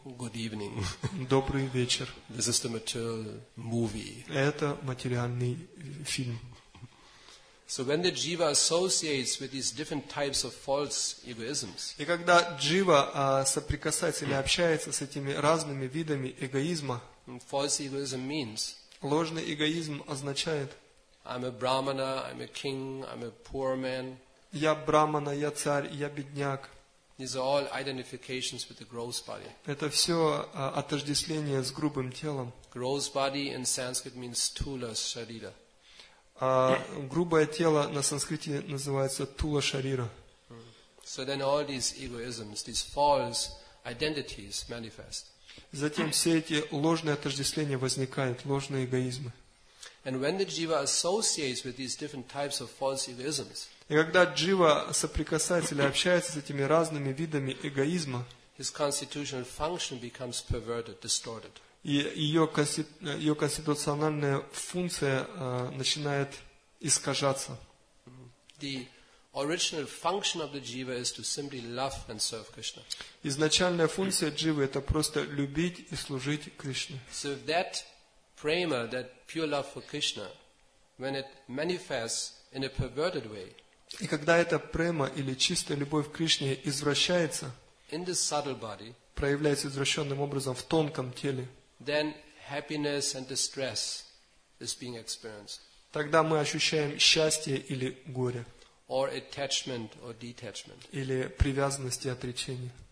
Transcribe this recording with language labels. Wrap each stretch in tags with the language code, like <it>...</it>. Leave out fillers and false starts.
<en>Good evening.</en> <ru>Добрый вечер.</ru> <en>This is the material movie.</en> <ru>Это материальный фильм.</ru> <en>So when the jiva associates with these different types of false egoisms,</en> <ru>и когда джива соприкасается или общается с этими разными видами эгоизма,</ru> <en>false egoism means,</en> <ru>ложный эгоизм означает,</ru> <en>I'm a brahmana, I'm a king, I'm a poor man.</en> <ru>Я брахмана, я царь, я бедняк.</ru> <en>These are all identifications with the gross body.</en> <ru>Это все отождествление с грубым телом.</ru> <en>Gross body in Sanskrit means sthula sharira.</en> <ru>А грубое тело на санскрите называется тула шарира.</ru> <en>So then all these egoisms, these false identities manifest.</en> <ru>Затем все эти ложные отождествления возникают, ложные эгоизмы.</ru> <en>And when the jiva associates with these different types of false egoisms,</en> <ru>и когда джива соприкасается или общается с этими разными видами эгоизма,</ru> <en>his constitutional function becomes perverted, distorted.</en> <ru>И ее конституциональная функция начинает искажаться.</ru> <en>The original function of the jiva is to simply love and serve Krishna.</en> <ru>Изначальная функция дживы это просто любить и служить Кришне.</ru> <en>So if that prema, that pure love for Krishna, when it manifests in a perverted way,</en> <ru>и когда эта према или чистая любовь к Кришне извращается,</ru> <en>in this subtle body,</en> <ru>проявляется извращенным образом в тонком теле,</ru> <en>then happiness and distress is being experienced.</en> <ru>Тогда мы ощущаем счастье или горе.</ru> <en>Or attachment or detachment.</en> <ru>Или привязанность и отречение.</ru>